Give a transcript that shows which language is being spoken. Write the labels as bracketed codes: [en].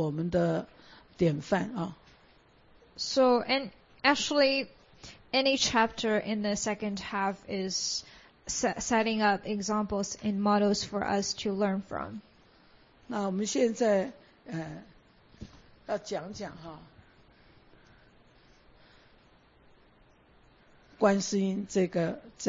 [zh] 其实等于是后半部的每一品其实都可以做我们的典范啊。 [en] So, and actually, any chapter in the second half is setting up examples and models for us to learn from. [zh] 那我们现在要讲讲哈，观世音这个。